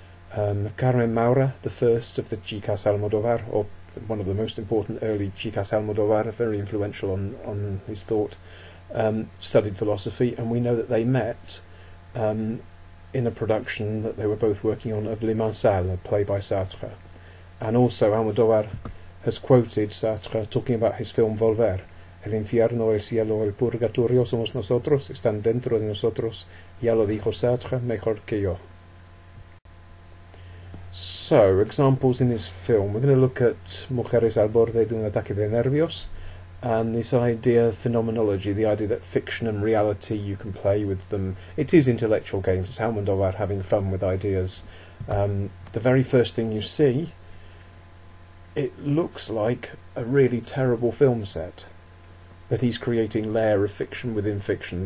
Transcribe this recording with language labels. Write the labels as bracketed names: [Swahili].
[English] Carmen Maura, the first of the Chicas Almodovar, or one of the most important early Chicas Almodovar, very influential on his thought, studied philosophy, and we know that they met in a production that they were both working on of L'Immensale, a play by Sartre. And also Almodovar has quoted Sartre talking about his film Volver. [Spanish] El infierno, el cielo, el purgatorio somos nosotros, están dentro de nosotros, ya lo dijo Sartre mejor que yo. [English] So, examples in his film. We're going to look at Mujeres al borde de un ataque de nervios, and this idea of phenomenology, the idea that fiction and reality, you can play with them. It is intellectual games. It's Almodovar having fun with ideas. The very first thing you see, it looks like a really terrible film set, but he's creating layer of fiction within fiction.